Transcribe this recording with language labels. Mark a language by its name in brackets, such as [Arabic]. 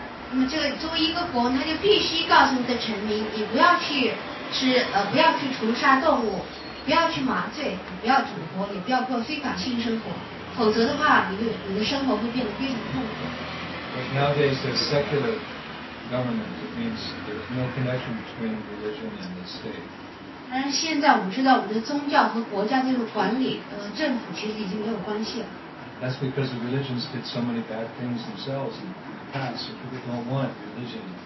[Chinese] 那么这个作为一个国王，他就必须告诉你的臣民，你不要去吃，不要去屠杀动物，不要去麻醉，你不要赌博，也不要过非法性生活，否则的话，你的生活会变得非常痛苦。 [English] But nowadays there's secular government. It means there's no connection between religion and the state. [Chinese] 但是现在我们知道，我们的宗教和国家这个管理，政府其实已经没有关系了。 [English] That's because the religions did so many bad things themselves in the past, so people don't want religion.